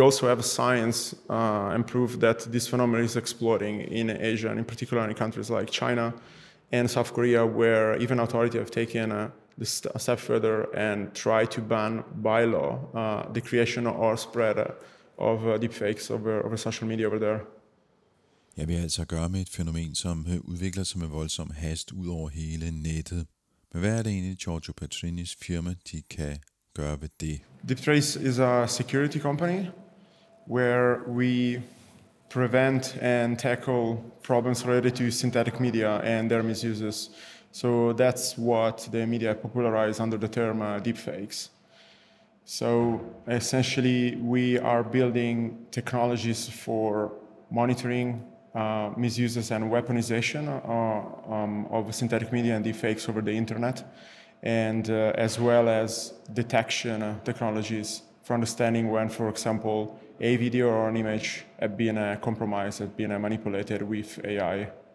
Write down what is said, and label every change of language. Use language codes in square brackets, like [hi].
[en] We also have science and proof that this phenomenon is exploding in Asia, and in particular in countries like China and South Korea, where even authorities have taken a step further and try to ban by law the creation or spread of deepfakes over social media over there. [da] Ja, vi har altså at gøre med et fænomen, som udvikler sig med voldsom hast ud over hele nettet. Men hvad er det egentlig Giorgio Petrinis firma, de kan gøre ved det? [en] DeepTrace is a security company where we prevent and tackle problems related to synthetic media and their misuses. So that's what the media popularized under the term deepfakes. So essentially we are building technologies for monitoring misuses and weaponization of synthetic media and deepfakes over the internet, and as well as detection technologies for understanding when, for example, a video or an image have been compromised, have been manipulated with AI.